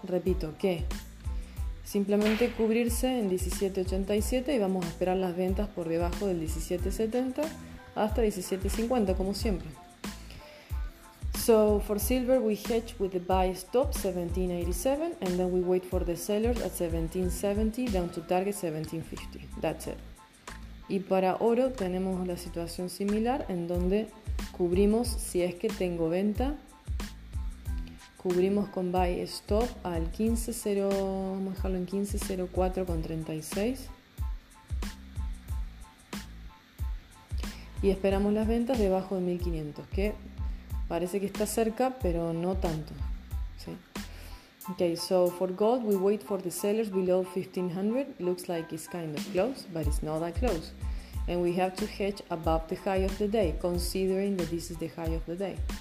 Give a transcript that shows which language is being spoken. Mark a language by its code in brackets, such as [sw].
[es] Repito que simplemente cubrirse en 17.87 y vamos a esperar las ventas por debajo del 17.70 hasta 17.50 como siempre. [en] So for silver we hedge with the buy stop 17.87 and then we wait for the sellers at 17.70 down to target 17.50. That's it. [es] Y para oro tenemos la situación similar en donde cubrimos, si es que tengo venta, cubrimos con buy stop al 15.0, vamos a dejarlo en 15.04.36. Y esperamos las ventas debajo de 1500, que parece que está cerca, pero no tanto. [en] ¿Sí? Okay, so for gold, we wait for the sellers below 1500. Looks like it's kind of close, but it's not that close. And we have to hedge above the high of the day, considering that this is the high of the day.